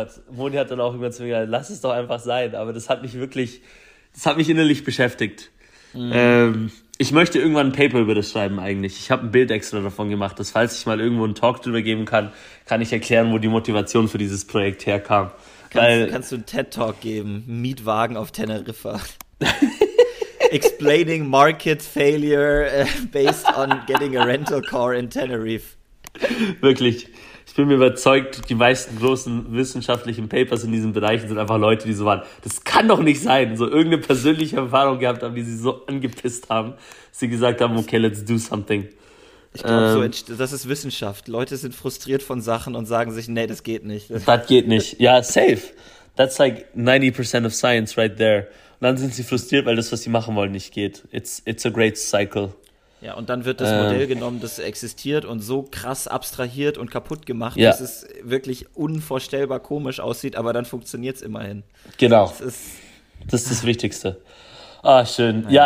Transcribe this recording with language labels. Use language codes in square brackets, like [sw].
[de] Moni hat dann auch immer zu mir gesagt, lass es doch einfach sein. Aber das hat mich wirklich, das hat mich innerlich beschäftigt. Ich möchte irgendwann ein Paper über das schreiben eigentlich. Ich habe ein Bild extra davon gemacht, dass falls ich mal irgendwo einen Talk drüber geben kann, kann ich erklären, wo die Motivation für dieses Projekt herkam. Kannst du einen TED-Talk geben? Mietwagen auf Teneriffa. [en] Explaining market failure based on getting a rental car in Tenerife. [de] Wirklich. Ich bin mir überzeugt, die meisten großen wissenschaftlichen Papers in diesem Bereich sind einfach Leute, die so waren, das kann doch nicht sein, so irgendeine persönliche Erfahrung gehabt haben, die sie so angepisst haben, dass sie gesagt haben, [en] okay, let's do something. [de] Ich glaube, das ist Wissenschaft. Leute sind frustriert von Sachen und sagen sich, nee, das geht nicht. Das geht nicht. Ja, safe. [en] That's like 90% of science right there. [de] Und dann sind sie frustriert, weil das, was sie machen wollen, nicht geht. [en] It's a great cycle. [de] Ja, und dann wird das Modell genommen, das existiert und so krass abstrahiert und kaputt gemacht, dass es wirklich unvorstellbar komisch aussieht, aber dann funktioniert es immerhin. Genau. Das ist das Wichtigste. Ah, schön. Ja.